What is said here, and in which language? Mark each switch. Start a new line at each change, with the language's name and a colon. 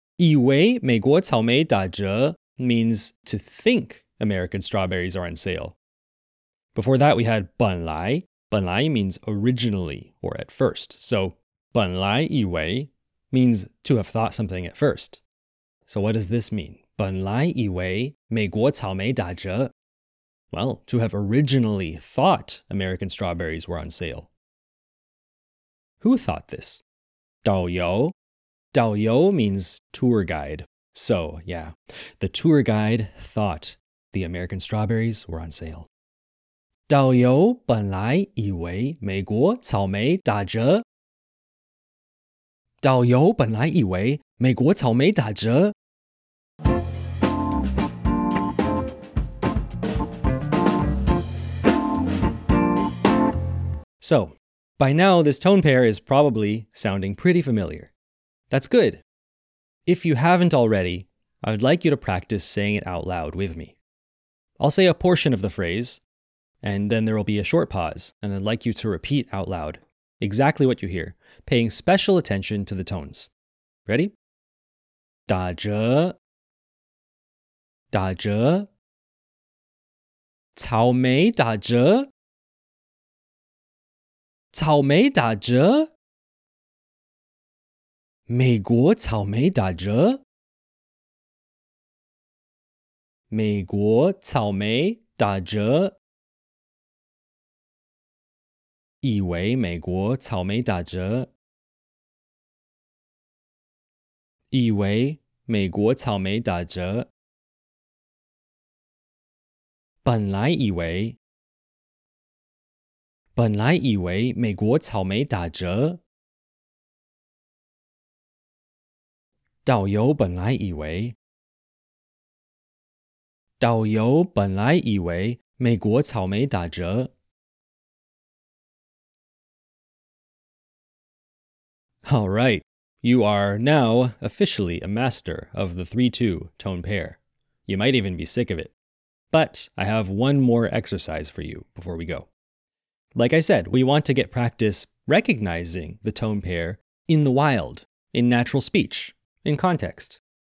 Chinese: 以为美国草莓打折
English: means to think American strawberries are on sale. Before that we had 本来.本来 means originally or at first. So
Chinese: 本来以为
English: means to have thought something at first. So what does this mean?
Chinese: 本来以为美国草莓打折.
English: Well, to have originally thought American strawberries were on sale. Who thought this? 导游? 导游 means tour guide. So, yeah, the tour guide thought the American strawberries were on sale.
Chinese: 导游本来以为美国草莓打折. 导游本来以为美国草莓打折.
English: So, by now this tone pair is probably sounding pretty familiar. That's good. If you haven't already, I would like you to practice saying it out loud with me. I'll say a portion of the phrase, and then there will be a short pause, and I'd like you to repeat out loud exactly what you hear, paying special attention to the tones. Ready?
Chinese: 打折 打折 草莓打折 草莓打折 美国草莓打折 美国草莓打折 以为美国草莓打折以为美国草莓打折 本来以为 本来以为美国草莓打折 导游本来以为 导游本来以为美国草莓打折
English: All right, you are now officially a master of the 3-2 tone pair. You might even be sick of it. But I have one more exercise for you before we go. Like I said, we want to get practice recognizing the tone pair in the wild, in natural speech, in context.